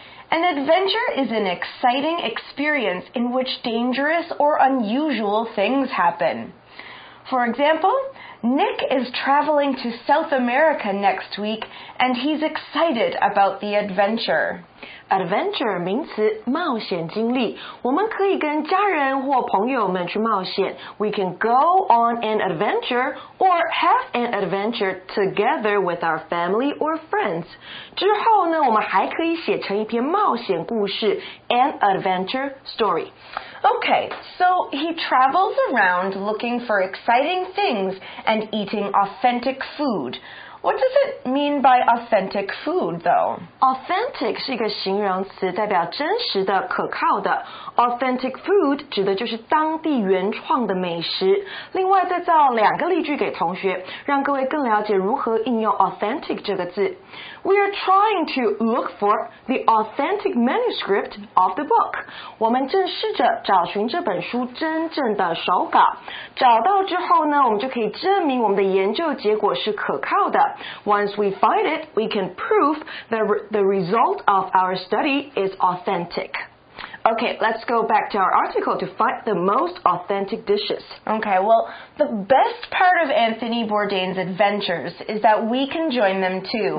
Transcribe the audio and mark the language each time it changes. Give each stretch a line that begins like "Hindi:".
English: An adventure is an exciting experience in which dangerous or unusual things happen. For example, Nick is traveling to South America next week, and he's excited about the adventure.
Chinese: Adventure 名词，冒险经历。我们可以跟家人或朋友们去冒险。
English: We can go on an adventure or have an adventure together with our family or friends.
Chinese: 之后呢，我们还可以写成一篇冒险故事 ，
English: an adventure story. Okay, so he travels around looking for exciting things and eating authentic food. What does it mean by authentic food, though?
Chinese: Authentic 是一个形容词，代表真实的、可靠的。 Authentic food 指的就是当地原创的美食。另外，再造两个例句给同学，让各位更了解如何应用 authentic 这个字。
English: We are trying to look for the authentic manuscript of the book.
Chinese: 我们正试着找寻这本书真正的手稿。找到之后呢，我们就可以证明我们的研究结果是可靠的。
English: Once we find it, we can prove that the result of our study is authentic. Okay, let's go back to our article to find the most authentic dishes. Okay, well, the best part of Anthony Bourdain's adventures is that we can join them too.